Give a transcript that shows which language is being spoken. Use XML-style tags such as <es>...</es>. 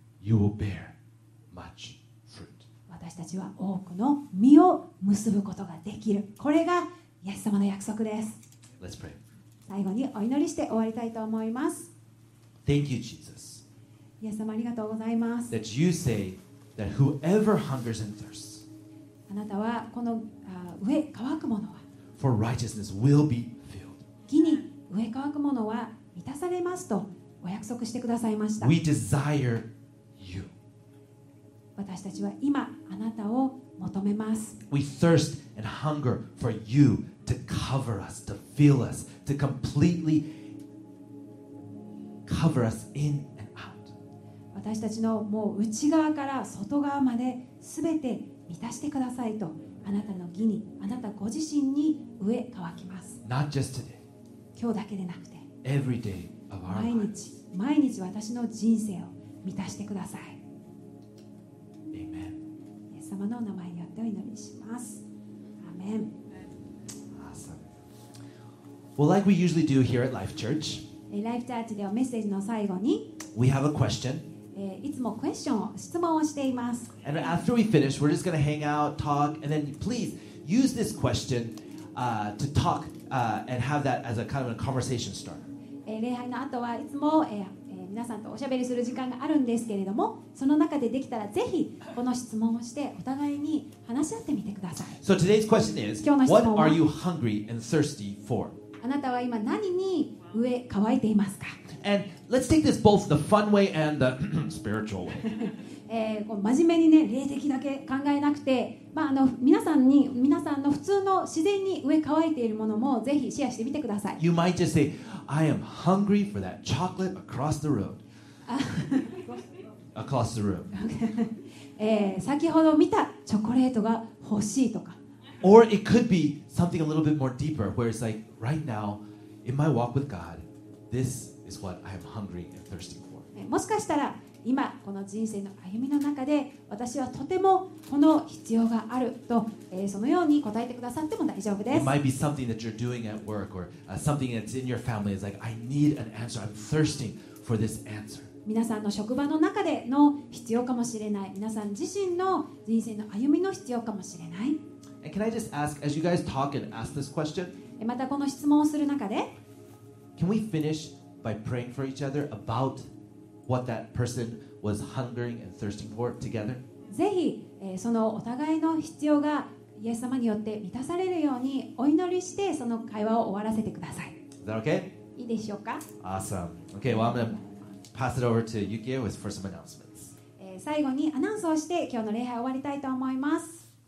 <en>you will bear much fruit.</en> <ja>私たちは多くの実を結ぶことができるこれがイエス様の約束です</ja> <en>Let's pray.</en> <ja>最後にお祈りして終わりたいと思います</ja> <en>Thank you, Jesus.</en> <ja>イエス様ありがとうございます</ja> <en>that you say that whoever hungers and thirsts,</en> <ja>あなたはこの飢え渇くものは</ja> <en>For righteousness will be filled.</en> <ja>義に飢え渇くものは満たされますとお約束してくださいました。</ja> <en>We desire you.</en> <ja>私たちは今あなたを求めます。</ja> <en>We thirst and hunger for you to cover us, to fill us, to completely cover us in and out.</en> <ja>私たちのもう内側から外側まで全て満たしてくださいと。あなたの義にあなたご自身に飢え渇きます</ja> <en>Not just today.</en> <ja>今日だけでなくて</ja> <en>Every day of our</en> <ja>毎日私の人生を満たしてください</ja> <en>Amen.</en> <ja>イエス様のお名前によってお祈りします Amen.</ja> <en>Awesome. Well, like we usually do here at Life Church,</en> <ja>Life Church ではメッセージの最後に</ja> <en>We have a question</en> <ja>いつもクエスチョンを質問をしています。</ja> <en>And after we finish, we're just going to hang out, talk, and then please use this question, to talk, and have that as a kind of a conversation starter.</en> <ja>礼拝の後はいつも、皆さんとおしゃべりする時間があるんですけれども、その中でできたらぜひこの質問をしてお互いに話し合ってみてください。</ja> <en>So today's question is, what are you hungry and thirsty for?</en> <ja>あなたは今何に飢え渇いていますか。</ja> <en>And let's take this both the fun way and the spiritual way.</en> <ja>真面目にね、霊的だけ考えなくて、まあ、あの皆さんの普通の自然に飢え渇いているものもぜひシェアしてみてください。</ja> <en>You might just say, I am hungry for that chocolate across the road. across the room.</en> <ja>先ほど見たチョコレートが欲しいとか。</ja> <en>Or it could be something a little bit more deeper, where it's like, right now, in my walk with God, this is what I am hungry and thirsting for.</en> <ja>もしかしたら今この人生の歩みの中で私はとてもこの必要があると、そのように答えてくださっても大丈夫です。</ja> <en>It might be something that you're doing at work or something that's in your family. It's like, I need an answer. I'm thirsting for this answer.</en> <ja>皆さんの職場の中での必要かもしれない。皆さん自身の人生の歩みの必要かもしれない。</ja> <en>And can I just ask, as you guys talk and ask this question,</en> <ja>またこの質問をする中で、</ja> <en>can we finish by praying for each other aboutWhat that person was hungering and thirsting for together.</en> <ja>ぜひ、そのお互いの必要がイエス様によって満たされるようにお祈りしてその会話を終わらせてください。</ja> <en>Is that okay?</en> <ja>いいでしょうか?</ja> <en>Awesome. Okay, well, I'm going to pass it over to Yukio for some announcements.</en> <ja>最後にアナウンスをして今日の礼拝を終わりたいと思います。</ja>